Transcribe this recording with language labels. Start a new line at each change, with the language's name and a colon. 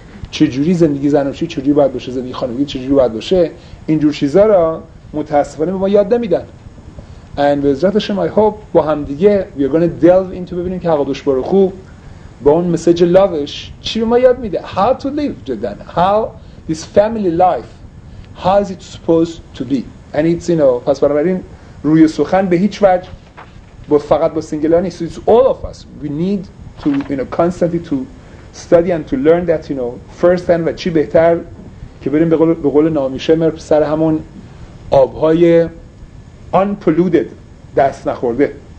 Persian: چجوری زندگی زناشویی چجوری باید باشه، زندگی خانوادگی چجوری باید باشه، اینجور چیزا را متاسفانه به ما یاد نمیدن. And به عزت شما
English: I hope
Persian: با هم دیگه
English: we are going to delve into
Persian: ببینیم که عقدوش بارخو با اون مسیج لاوش چی به ما یاد میده؟
English: How to live
Persian: جدن.
English: How this family life, how is it supposed to be? And it's, you know,
Persian: پس بنابراین روی سخن به هیچ وجه با فقط با سینگلر نیست.
English: It's all of us. We need to, you know, constantly to study and to learn that, you know, first hand.
Persian: و چی بهتر که بریم به قول نامی شمر سر همون آبهای
English: unpolluted
Persian: دست نخورده.